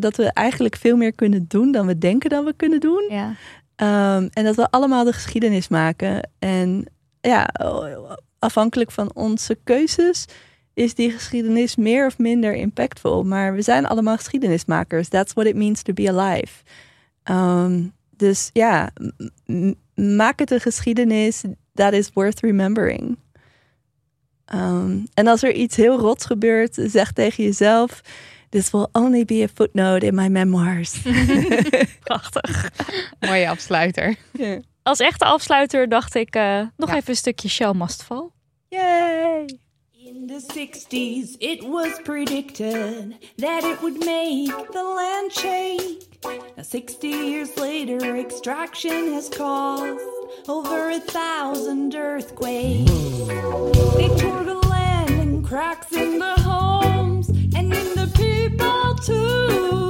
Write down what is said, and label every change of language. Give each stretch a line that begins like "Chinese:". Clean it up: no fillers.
Dutch: Dat we eigenlijk veel meer kunnen doen dan we denken dat we kunnen doen. Ja. En dat we allemaal de geschiedenis maken. En ja, afhankelijk van onze keuzes is die geschiedenis meer of minder impactvol. Maar we zijn allemaal geschiedenismakers.
English: That's what it means to be alive.
Dutch: Dus ja, maak het een geschiedenis
English: that is worth remembering.
Dutch: En als er iets heel rots gebeurt, zeg tegen jezelf,
English: this will only be a footnote in my memoirs.
Dutch: Prachtig. Mooie afsluiter.
English: Yeah.
Dutch: Als echte afsluiter dacht ik nog even een stukje Shell Must Fall. Yay!
English: In the 60s, it was predicted that it would make the land shake. Now, 60 years later, extraction has caused over 1,000 earthquakes. They tore the land and cracks in the homes and in the people, too.